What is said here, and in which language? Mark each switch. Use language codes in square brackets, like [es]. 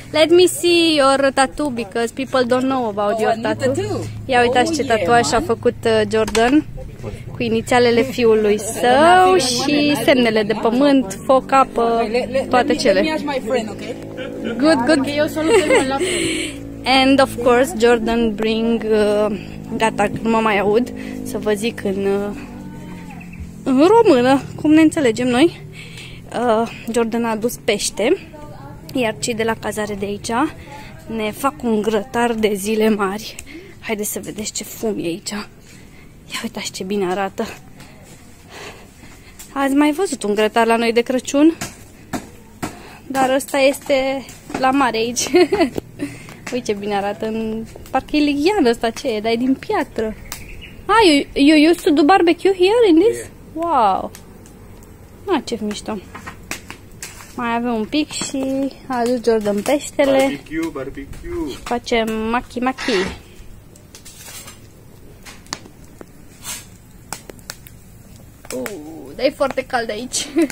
[en] Let me see your tattoo because people don't know about your tattoo. [ro] Ia uitați ce tatuaj a făcut Jordan cu inițialele fiului său și semnele de pământ, foc, apă, toate cele. [en] Good, good. And of course, Jordan bring [ro] gata, nu mă mai aud, să vă zic în în română, cum ne înțelegem noi. Jordan a adus pește, iar cei de la cazare de aici ne fac un grătar de zile mari. Haideți să vedeți ce fum e aici. Ia uitați ce bine arată. Ați mai văzut un grătar la noi de Crăciun? Dar ăsta este la mare aici. Uite ce bine arată. Parcă e lighian ăsta, ce e? Dar e din piatră. [en] Ah, you used to do barbecue here in this? [ro] Wow! Ah, ce mișto! Mai avem un pic și a adus Jordan peștele. [en] Barbecue! [ro] Și facem maki-maki. Dar e foarte cald aici.